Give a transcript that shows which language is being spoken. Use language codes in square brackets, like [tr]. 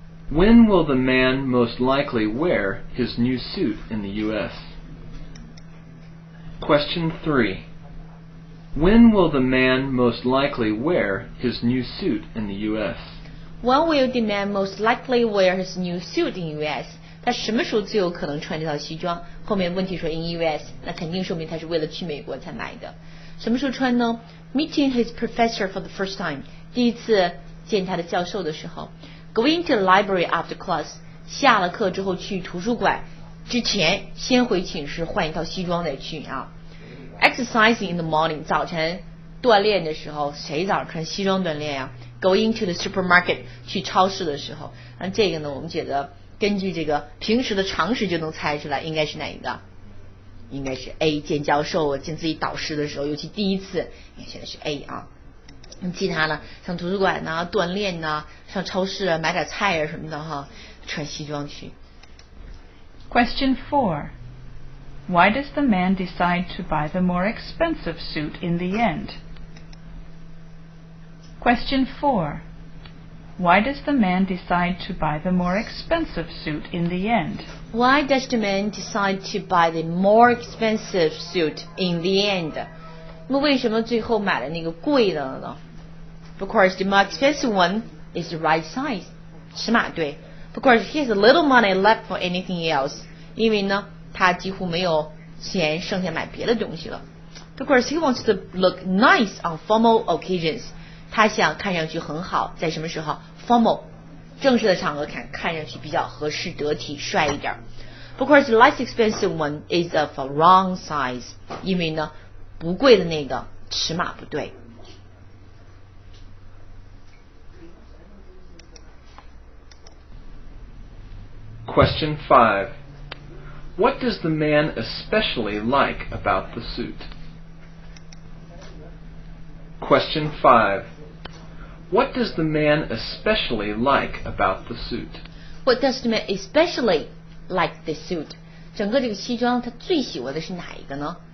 [en] When will the man most likely wear his new suit in the U.S.? Question 3. When will the man most likely wear his new suit in the U.S.? When will the man most likely wear his new suit in the U.S.? [zh] 他什么时候最有可能穿这套西装？后面问题说 [en] in the U.S.， [zh] 那肯定说明他是为了去美国才买的。什么时候穿呢？ [en] Meeting his professor for the first time， [zh] 第一次见他的教授的时候。 [en] Going to the library after class， [zh] 下了课之后去图书馆之前，先回寝室换一套西装再去啊。 [en] Exercising in the morning， [zh] 早晨锻炼的时候，谁早上穿西装锻炼呀？ [en] Going to the supermarket， [zh] 去超市的时候。那这个呢，我们觉得根据这个平时的常识就能猜出来，应该是哪一个？应该是 A， 见教授、见自己导师的时候，尤其第一次，应该选的是 A 啊。其他呢，像图书馆呢、锻炼呢、上超市买点菜啊什么的哈，穿西装去。 [en] Question 4. Why does the man decide to buy the more expensive suit in the end? Question 4. Why does the man decide to buy the more expensive suit in the end? Why does the man decide to buy the more expensive suit in the end? [zh] 那为什么最后买了那个贵的呢？ [en] Because the more expensive one is the right size. [zh] 尺码对。 [en] Because he has a little money left for anything else. [zh] 因为呢，他几乎没有钱剩下买别的东西了。 [en] Because he wants to look nice on formal occasions. [zh] 他想看上去很好，在什么时候 ？Formal， 正式的场合看上去比较合适、得体、帅一点。 [en] Because the less expensive one is of a wrong size. [zh] 因为呢，不贵的那个尺码不对。 [en] Question 5. What does the man especially like about the suit? Question 5. What does the man especially like about the suit? What does the man especially like the suit? [zh] 整个这个西装他最喜欢的是哪一个呢？